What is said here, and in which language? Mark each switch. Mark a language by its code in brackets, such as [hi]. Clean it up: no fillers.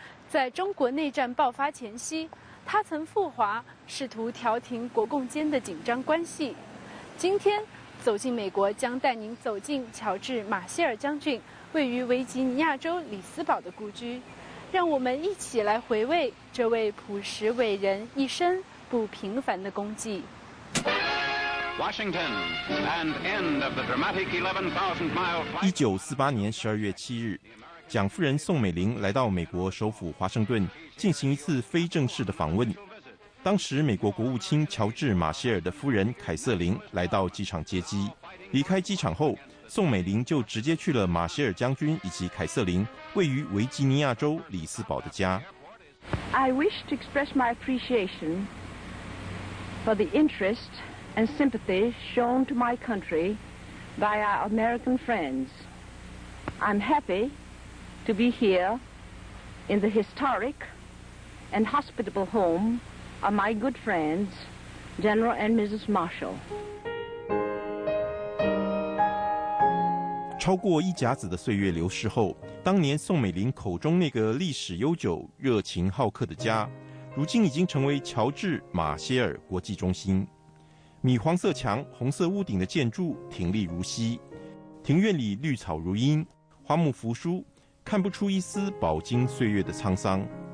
[zh] 在中国内战爆发前夕，他曾赴华试图调停国共间的紧张关系。今天走进美国将带您走进乔治·马歇尔将军位于维吉尼亚州里斯堡的故居，让我们一起来回味这位朴实伟人一生不平凡的功绩。 [en] Washington and end of the dramatic 11,000 mile flight. [zh] 1948年12月7日，蒋夫人宋美龄来到美国首府华盛顿进行一次非正式的访问。当时美国国务卿乔治·马歇尔的夫人凯瑟琳来到机场接机。离开机场后，宋美龄就直接去了马歇尔将军以及凯瑟琳位于维吉尼亚州里斯堡的家。 [en] I wish to express my appreciation for the interest and sympathy shown to my country by our American friends. I'm happy to be here in the historic and hospitable home of my good friends, General and Mrs. Marshall. [zh] 超过一甲子的岁月流逝后，当年宋美龄口中那个历史悠久、热情好客的家，如今已经成为乔治·马歇尔国际中心。米黄色墙、红色屋顶的建筑挺立如昔，庭院里绿草如茵，花木扶疏，看不出一丝饱经岁月的沧桑。